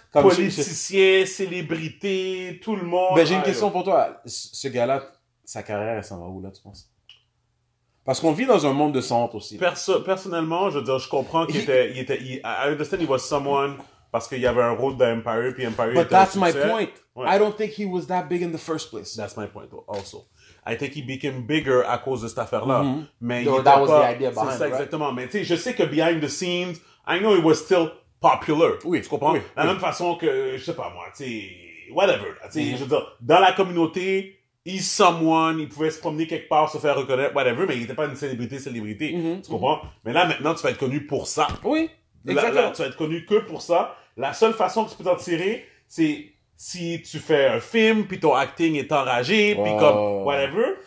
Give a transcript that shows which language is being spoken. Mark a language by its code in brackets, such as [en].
[fr] Comme politicien, célébrité, tout le monde. Ben, j'ai une question pour toi. Ce gars-là, sa carrière, elle s'en va où là, tu penses? Parce qu'on vit dans un monde de honte aussi. Personnellement, je veux dire, je comprends qu'il [en] I understand he was someone. [fr] Parce qu'il y avait un rôle d'Empire, puis Empire était un succès. [en] But that's my point. [fr] Ouais. [en] I don't think he was that big in the first place. That's my point also. I think he became bigger [fr] à cause de cette affaire-là. [en] Mm-hmm. Mais no, that was the idea behind it, right? [fr] Exactement. Mais tu sais, je sais que [en] behind the scenes, I know it was still popular. [fr] Oui. Tu comprends? Oui. La même façon que, je sais pas moi, tu sais, whatever. Tu sais, je veux dire, dans la communauté, he's someone, il pouvait se promener quelque part, se faire reconnaître, whatever, mais il n'était pas une célébrité. Mm-hmm. Tu comprends? Mm-hmm. Mais là, maintenant, tu vas être connu pour ça. Oui. Exactement. Là, tu vas être connu que pour ça. La seule façon que tu peux t'en tirer, c'est si tu fais un film, puis ton acting est enragé, puis comme whatever.